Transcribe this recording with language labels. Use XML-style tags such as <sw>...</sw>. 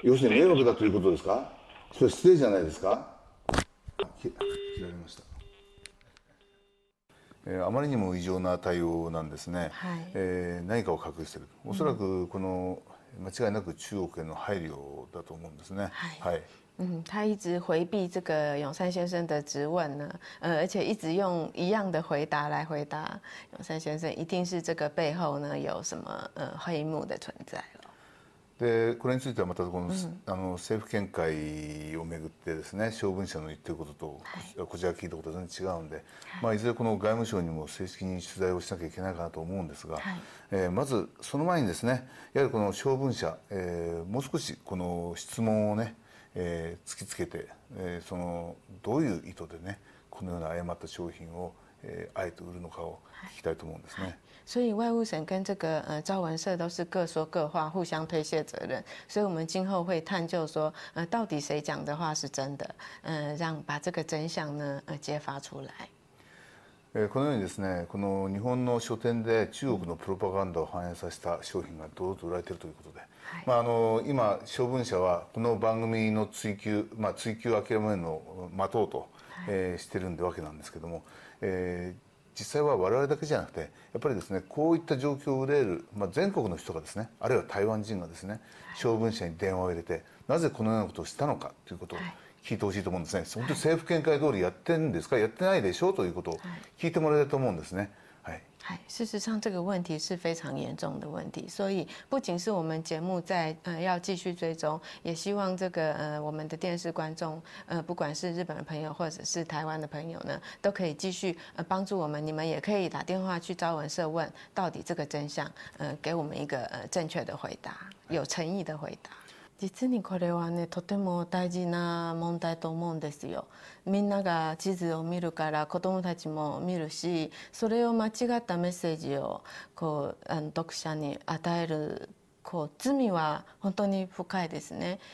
<ja>要するに迷惑だということですか。それ失礼じゃないですか。切られました。あまりにも異常な対応なんですね、はい、何かを隠している。おそらくこの、間違いなく中国への配慮だと思うんですね。</ja> <zh>はい、はい、他一直回避这个永山先生的质问呢，而且一直用一样的回答来回答永山先生，一定是这个背后呢有什么黑幕的存在了。</zh> <ja>で、これについてはまたこの、政府見解をめぐってですね、将軍者の言っていることと、はい、こちら聞いたこと全然違うんで、はい、いずれこの外務省にも正式に取材をしなきゃいけないかなと思うんですが、はい、まずその前にですね、やはりこの将軍者、もう少しこの質問をね、突きつけて、そのどういう意図でね、このような誤った商品を、あえて売るのかを聞きたいと思うんですね。</ja> <zh>はい、所以外务省跟这个赵文社都是各说各话，互相推卸责任。所以我们今后会探究说，到底谁讲的话是真的，让把这个真相呢揭发出来。</zh> <ja>このようにですね、この日本の書店で中国のプロパガンダを反映させた商品が堂々と売られているということで、はい、今将軍社はこの番組の追及、追及諦めるのを待とうと、はい、してるんでわけなんですけども、実際は我々だけじゃなくて、やっぱりですね、こういった状況を憂える、全国の人がですね、あるいは台湾人がですね、将軍社に電話を入れて、なぜこのようなことをしたのかということを、はい、聞いてほしいと思うんですね。本当に政府見解通りやってんですか、はい、やってないでしょうということを聞いてもらえると思うんですね。はい、</ja> <zh>はい、事实上这个问题是非常严重的问题，所以不仅是我们节目在要继续追踪，也希望这个我们的电视观众，不管是日本的朋友或者是台湾的朋友呢，都可以继续帮助我们，你们也可以打电话去招文社问到底这个真相，给我们一个正确的回答，有诚意的回答。</zh> <ja>実にこれはね、とても大事な問題と思うんですよ。みんなが地図を見るから子どもたちも見るし、それを間違ったメッセージをこう読者に与える、こう罪は本当に深いですね。</ja>